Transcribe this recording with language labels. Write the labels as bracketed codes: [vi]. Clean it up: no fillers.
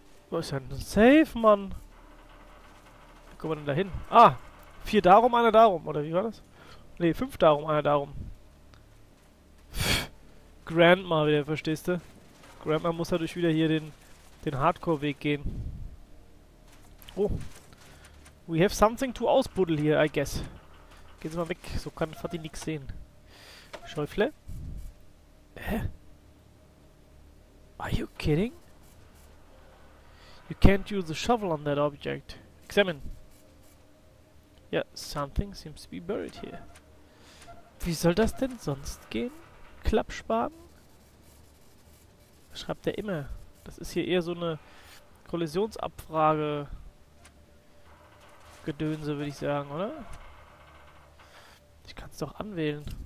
[de] Wo ist denn ein Safe, Mann? Wie kommen wir denn da hin? Ah, 4 darum, einer darum. Oder wie war das? Ne, 5 darum, einer darum. Grandma wieder, verstehst du? Grandma muss natürlich wieder hier den Hardcore-Weg gehen. Oh. [en] We have something to [de] ausbuddel hier, [en] I guess. [de] Gehen Sie mal weg, so kann Fatih nichts sehen. Schäufle? Hä? [en] Are you kidding? You can't use the shovel on that object. Examine. Yeah, something seems to be buried here. [de] Wie soll das denn sonst gehen? Klappspaten? Schreibt er immer. Das ist hier eher so eine Kollisionsabfrage. Gedönse, würde ich sagen, oder? Ich kann es doch anwählen.